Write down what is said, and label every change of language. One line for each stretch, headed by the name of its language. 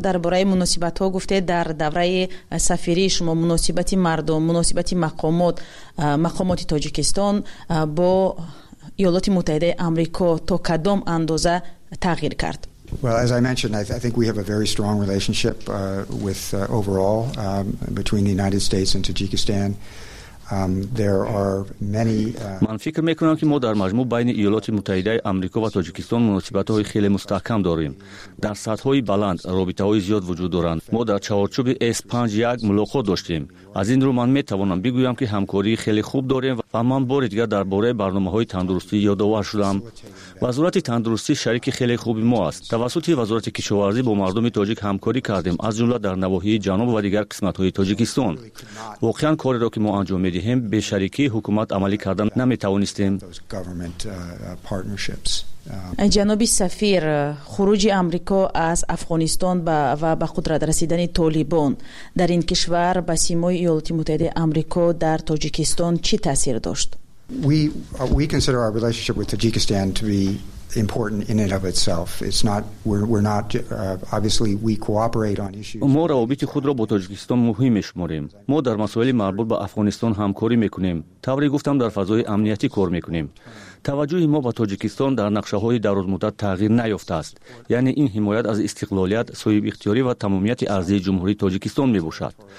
Persian: در برای مناسبت ها گفته در دوره سفیری شما مناسبت مردم، مناسبت مقامات، مقامات تاجیکستان با ایالات متحده آمریکا تا کدام اندازه تغییر کرد؟
English: Well, as I mentioned, I think we have a very strong relationship with overall between the United States and Tajikistan.
Persian: من فکر میکنم که ما در مجموع بین ایالات متحده آمریکا و تاجیکستان مناسبت های خیلی مستحکم داریم. در سطح های بلند رابطه های زیاد وجود دارند. ما در چهارچوب S51 ملاقات داشتیم. از این رو من میتوانم بگویم که همکاری خیلی خوب داریم و من بار دیگر درباره برنامه های تندرستی یادآور شدم. وزارت تندرستی شریک خیلی خوبی ما است. توسط وزارت کشاورزی با مردم تاجیک همکاری کردیم، از جمله در نواحی جنوب و دیگر قسمت های تاجیکستان. واقعا کاری را که ما انجام می‌دهیم به شریکی حکومت عملی کردن نمی‌توانستیم. جناب سفیر، خروج آمریکا از افغانستان و به قدرت رسیدن طالبان در این کشور به سیمای ایالات متحده آمریکا در تاجیکستان چی تاثیر داشت؟
English: We consider our relationship with Tajikistan to be important in and of itself. It's not we're not obviously we cooperate on issues.
Tajik: Мо равобити худро бо Тоҷикистон муҳим мешуморем. Мо дар масоили марбут ба Афғонистон ҳамкорӣ мекунем. Тавре гуфтам дар фазои амниятӣ кор мекунем. Таваҷҷӯҳи мо ба Тоҷикистон дар нақшаҳои дарозмуддат тағйир наёфтааст. Яъне ин ҳимоят аз истиқлолият, соҳибихтиёрӣ ва тамомияти арзии Ҷумҳурии Тоҷикистон мебошад.